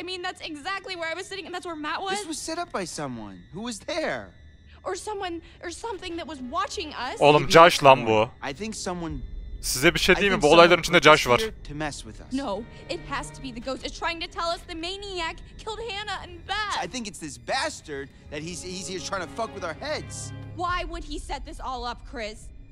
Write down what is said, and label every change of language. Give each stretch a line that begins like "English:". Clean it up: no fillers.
English: I mean, that's exactly where I was sitting and that's where Matt was. This was set up by someone who was there. Or someone or something that was watching us.
Turkish: Oğlum Josh lan bu. Size bir şey diyeyim mi? Bu olayların içinde Josh var.
English: No, it has to be the ghost. It's trying to tell us the maniac killed Hannah and Beth. I think it's this bastard that he's here trying to fuck with our heads. Why would he set this all up, Chris?